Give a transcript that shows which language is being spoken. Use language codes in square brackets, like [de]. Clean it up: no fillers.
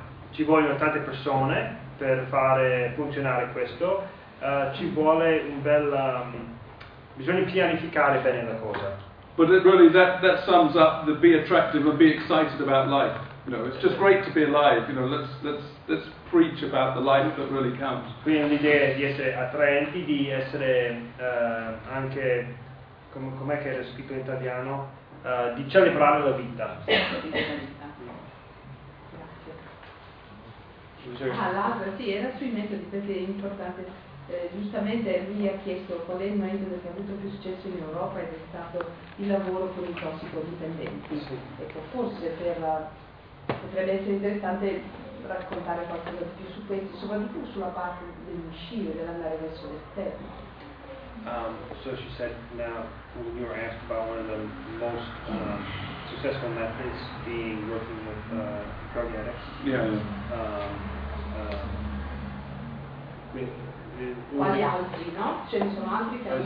[it] ci vogliono tante persone per fare funzionare questo. Ci vuole un bel bisogna pianificare bene la cosa. [en] But it really that sums up the be attractive and be excited about life. You know, it's just great to be alive, you know, let's preach about the life that really counts. [it] Quindi l'idea di essere attraenti, di essere anche com'è che era scritto in italiano? Di celebrare la vita. Grazie. Ah, l'altro, sì, era sui metodi, perché è importante. Giustamente lui ha chiesto qual è il metodo che ha avuto più successo in Europa ed è stato il lavoro con i tossicodipendenti. Sì. Ecco, forse potrebbe essere interessante raccontare qualcosa di più su questo, soprattutto sulla parte dell'uscire, dell'andare verso l'esterno. [en] So she said, now when you were asked about one of the most successful methods being working with drug addicts. [it] Quali altri, no? Ce ne sono altri che